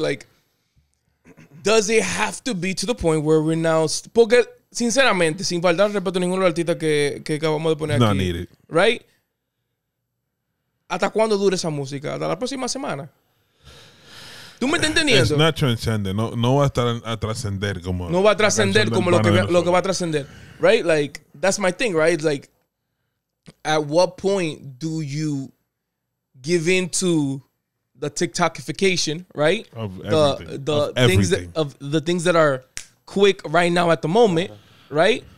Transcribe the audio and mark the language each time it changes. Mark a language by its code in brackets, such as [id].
[en] Like, does it have to be to the point where we're now. [es] Porque, sinceramente, sin faltar respeto a ninguno de los artistas que acabamos de poner aquí. [en] No need it. [es] Right? ¿Hasta cuándo dura esa música? ¿Hasta la próxima semana? ¿Tú me estás entendiendo? [en] It's not transcendent. [es] No va a estar a trascender como... No va a trascender como lo que va a trascender. [en] Right? Like, that's my thing, right? It's like, at what point do you give in to the TikTokification, right? Of everything. The things that are quick right now at the moment, right?